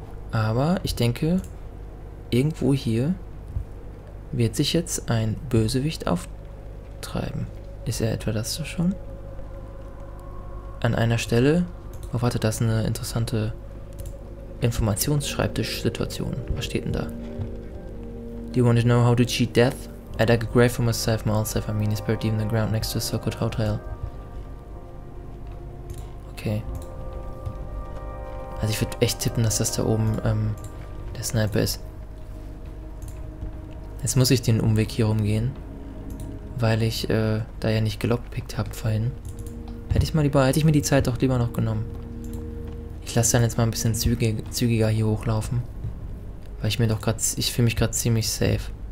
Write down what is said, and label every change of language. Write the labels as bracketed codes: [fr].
[de] Aber ich denke, irgendwo hier wird sich jetzt ein Bösewicht auftreiben. Ist er etwa das schon? An einer Stelle... Oh, warte, das ist eine interessante Informationsschreibtisch-Situation. Was steht denn da? [en] Do you want to know how to cheat death? I dug a grave for myself, my old self, I mean, is buried deep in the ground next to a so-called hotel. Okay. [de] Also ich würde echt tippen, dass das da oben der Sniper ist. Jetzt muss ich den Umweg hier rumgehen, weil ich da ja nicht gelockpickt habe vorhin. Hätte ich mir die Zeit doch lieber noch genommen. Ich lasse dann jetzt mal ein bisschen zügiger hier hochlaufen, weil ich mir doch gerade, ich fühle mich gerade ziemlich safe.